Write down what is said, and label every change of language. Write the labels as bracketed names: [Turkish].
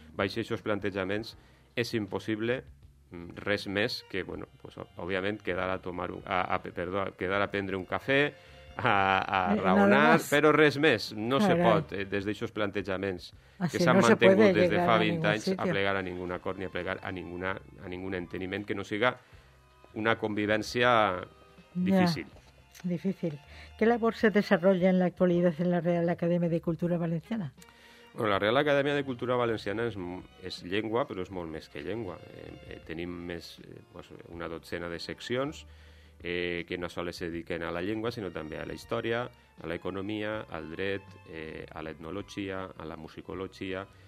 [Catalan] Baix aquests plantejaments és impossible res més que, bueno, pues, òbviament, quedar a prendre un cafè, a raonar, però res més, no se pot, des d'aixòs plantejaments que s'han mantingut des de fa 20 anys, a plegar a ningun acord ni a plegar a ningun enteniment que no siga [Spanish] una convivencia difícil. Ya, difícil. ¿Qué labor se desarrolla en la actualidad en la Real Academia de Cultura Valenciana? [Catalan] Bueno, la Real Academia de Cultura Valenciana és llengua, però és molt més que llengua. Tenim més, pues, una dotzena de seccions que no només es dediquen a la llengua, sinó també a la història, a l'economia, al dret, a l'etnologia, a la musicologia.